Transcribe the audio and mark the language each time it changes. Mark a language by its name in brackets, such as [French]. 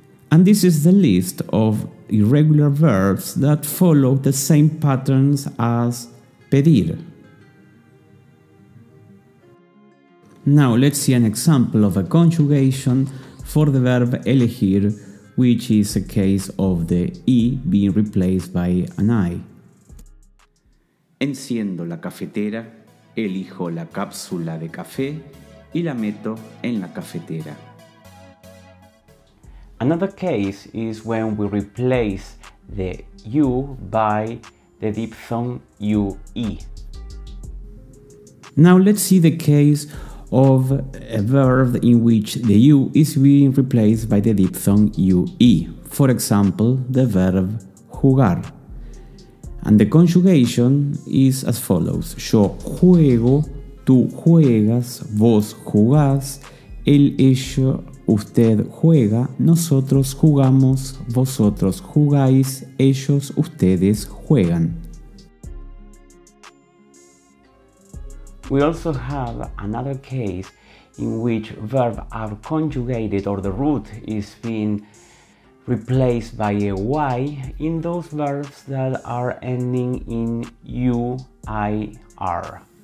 [English] And this is the list of irregular verbs that follow the same patterns as pedir. Now let's see an example of a conjugation for the verb elegir, which is a case of the E being replaced by an I. [Spanish] Enciendo la cafetera, elijo la cápsula de café y la meto en la cafetera. [English] Another case is when we replace the U by the diphthong UE. Now let's see the case of a verb in which the U is being replaced by the diphthong UE. For example, the verb jugar. And the conjugation is as follows. [Spanish] Yo juego, tú juegas, vos jugás, él, ella, usted juega, nosotros jugamos, vosotros jugáis, ellos, ustedes juegan. [English] We also have another case in which verbs are conjugated or the root is being replaced by a Y in those verbs that are ending in U-I-R.